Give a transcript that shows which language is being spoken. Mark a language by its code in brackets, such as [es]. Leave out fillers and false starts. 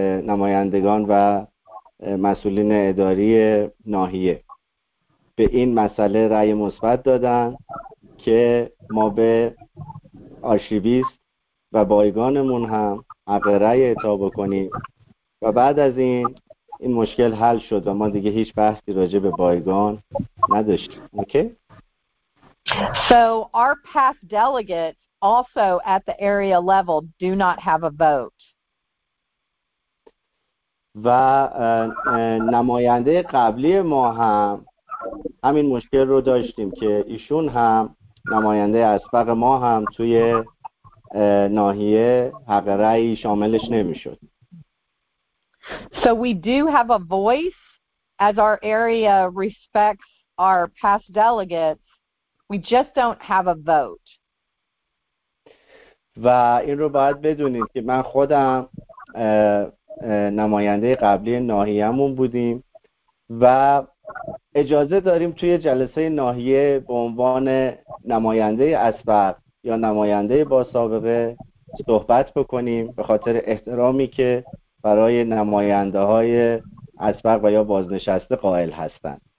[fa] نمایندگان و مسئولین اداری ناحیه به این مسئله رأی مثبت دادن که ما به آرشیویست و بایگانمون هم حق رأی اعطا بکنیم و بعد از این مشکل حل شد و ما دیگه هیچ بحثی راجع به بایگان نداشتیم. [en] So our past delegates also at the area level do not have a vote. [fa] و نماینده قبلی ما هم همین مشکل رو داشتیم که ایشون هم نماینده اسبق ما هم توی ناحیه حق رأی شاملش نمیشد. [en] So we do have a voice as our area respects our past delegates. We just don't have a vote. [fa] و این رو باید بدونید که من خودم نماینده قبلی ناحیه‌مون بودیم و اجازه داریم توی جلسه ناحیه به عنوان نماینده اسبق یا نماینده با سابقه صحبت بکنیم به خاطر احترامی که برای نماینده های اسبق و یا بازنشسته قائل هستند.